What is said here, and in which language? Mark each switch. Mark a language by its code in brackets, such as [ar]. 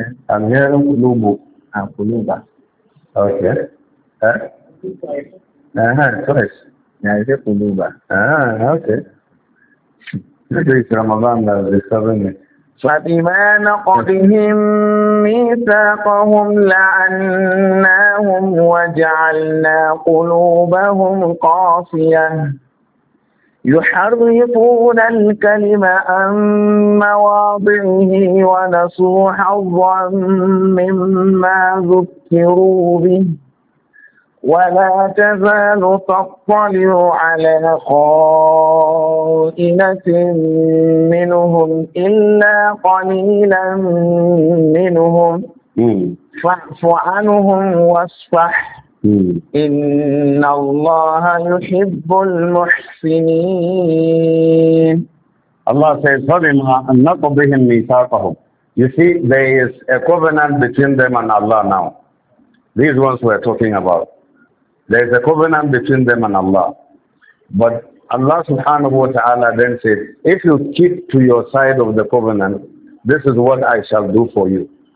[en] I'm hearing قُلُوبُ [ar] قُلُوبَ [en] Okay. Twice. Yeah, قُلُوبَ Okay. It's Ramadan that is disturbing me. [ar] فَبِمَا نَقْضِهِمْ مِيثَاقَهُمْ لَعَنَّاهُمْ وَجَعَلْنَا قُلُوبَهُمْ قَاسِيَةً يحرفون الكلمة عن مواضعه ونسوا حظا مما ذكروا به ولا تزال تطلع على خائنة منهم إلا قليلا منهم فاعف عنهم واصفح إِنَّ اللَّهَ يُحِبُّ الْمُحْسِنِينَ [en] Allah says, [ar] فَبِمَا نَقْضِهِمْ مِيثَاقَهُمْ [en] You see, there is a covenant between them and Allah now. These ones we are talking about. There is a covenant between them and Allah. But Allah [ar] subhanahu wa ta'ala [en] then says, if you keep to your side of the covenant, this is what I shall do for you.